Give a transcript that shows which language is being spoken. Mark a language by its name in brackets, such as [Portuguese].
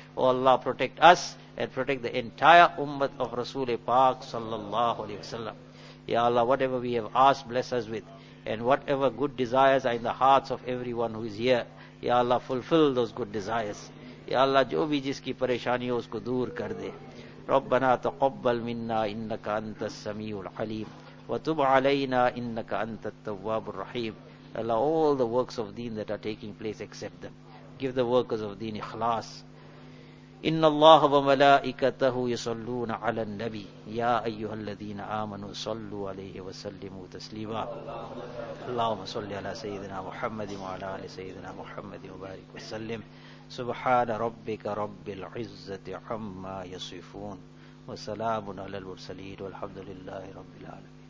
[English] Oh Allah, protect us and protect the entire ummah of Rasul-e-Pak sallallahu alayhi wa sallam. Ya Allah, whatever we have asked, bless us with. And whatever good desires are in the hearts of everyone who is here, Ya Allah, fulfill those good desires. [Hindi] Ya Allah, jo bhi jiski pareshani ho, usko dur kar de. [Arabic] ربنا تقبل منا إنك أنت السميع العليم وتب علينا إنك أنت التواب الرحيم. [English] Allah, all the works of deen that are taking place, accept them. Give the workers of deen ikhlas. [Arabic] إن الله وملائكته يصلون على النبي يا أيها الذين آمنوا صلوا عليه وسلموا تسليما. اللهم صل على سيدنا محمد وعلى آل سيدنا محمد وبارك وسلم. سبحان ربك رب العزة عما يصفون وسلام على المرسلين والحمد لله رب العالمين.